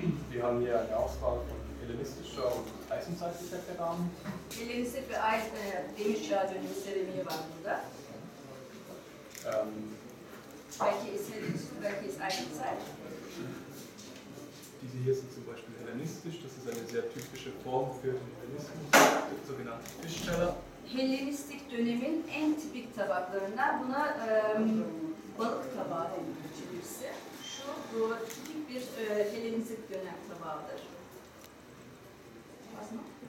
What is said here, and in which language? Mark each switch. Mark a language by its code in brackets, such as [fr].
[de] Wir haben hier eine Auswahl von hellenistischer und eisenzeitlicher Keramik. [tr] Hellenistik ve demir çağı dönemi seremiği var burada. [de] Welche ist hellenistisch, welche ist eisenzeitlich? Diese hier sind zum Beispiel hellenistisch, das ist eine sehr typische Form für den Hellenismus, der sogenannte Fischteller. [tr] Hellenistik dönemin en tipik tabaklarından buna balık tabağı denilmişse. Şu bu tipik bir Hellenistik dönem tabağıdır.